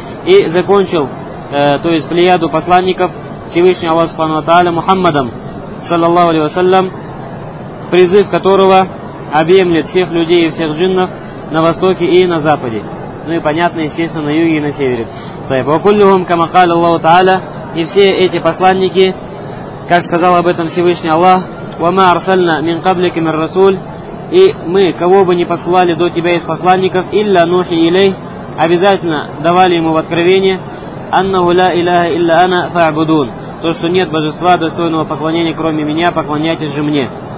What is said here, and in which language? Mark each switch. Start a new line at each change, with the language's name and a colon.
Russian: И закончил, то есть плеяду посланников Всевышний Аллах Субхану ва Тааля Мухаммадом саллаллаху алейхи ва саллям, призыв которого объемлет всех людей и всех джиннов на востоке и на западе. Ну и понятно, естественно, на юге и на севере.
Arabic: طيب وكلهم كما قال الله تعالى.
Russian: И все эти посланники, как сказал об этом Всевышний Аллах:
Arabic: وما أرسلنا من قبلك من رسول.
Russian: И мы, кого бы ни посылали до тебя из посланников,
Arabic: илля нухи илей,
Russian: обязательно давали ему в откровение:
Arabic: «Аннаху ля илляха илля ана фаабудун»,
Russian: то что нет божества, достойного поклонения, кроме меня, поклоняйтесь же мне.